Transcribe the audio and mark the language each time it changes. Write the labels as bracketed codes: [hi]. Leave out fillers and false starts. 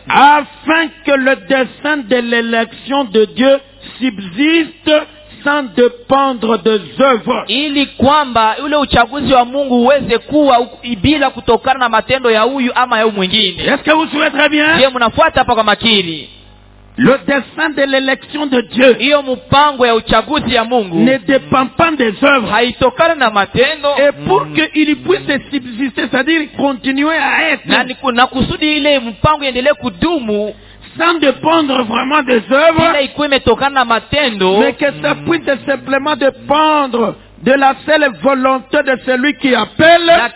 [fr] Afin que le dessein de l'élection de Dieu subsiste sans dépendre des œuvres. [sw] Ili kwamba ule uchaguzi wa Mungu uweze kuwa bila kutokana na matendo ya huyu ama ya mwingine. [fr] Est-ce que vous suivez très bien? [sw] Je mnafuata hapa kwa makini. [fr] Le dessein de l'élection de Dieu. [sw] Iyo mpango ya uchaguzi ya Mungu. [fr] Ne dépend pas des œuvres. [sw] Haitokana na matendo. [fr] Et pour que il puisse subsister, c'est-à-dire continuer à être. [sw] Na kusudi ile mpango iendelee kudumu. [fr] Sans dépendre vraiment des œuvres, mais que ça puisse simplement dépendre de la seule volonté de celui qui appelle.